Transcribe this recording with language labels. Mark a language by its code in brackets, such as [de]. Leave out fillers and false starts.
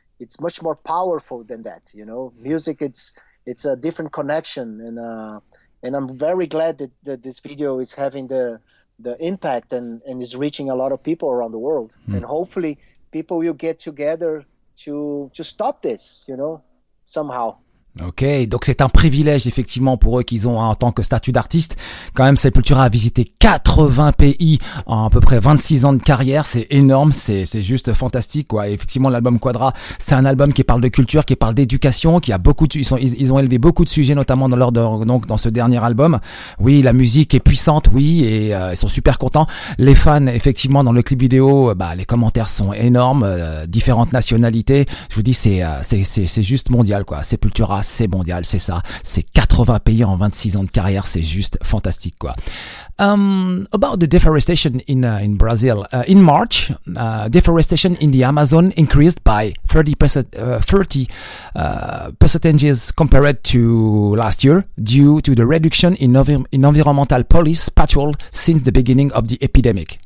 [en] It's much more powerful than that, you know. Music, it's a different connection. And I'm very glad that this video is having the impact and is reaching a lot of people around the world. Mm. And hopefully people will get together to stop this, you know, somehow. [fr] Ok, donc c'est un privilège effectivement pour eux qu'ils ont en tant que statut d'artiste. Quand même, Sepultura a visité 80 pays en à peu près 26 ans de carrière. C'est énorme, c'est juste fantastique, quoi. Et effectivement, l'album Quadra, c'est un album qui parle de culture, qui parle d'éducation, qui a beaucoup de, ils ont élevé beaucoup de sujets, notamment dans ce dernier album. Oui, la musique est puissante, oui, et ils sont super contents. Les fans, effectivement, dans le clip vidéo, bah les commentaires sont énormes, différentes nationalités. Je vous dis, c'est juste mondial, quoi. Sepultura, c'est mondial, c'est ça. C'est 80 pays en 26 ans de carrière, c'est juste fantastique, quoi. [en] About the deforestation in Brazil, in March, deforestation in the Amazon increased by 30% compared to last year due to the reduction in environmental police patrol since the beginning of the epidemic.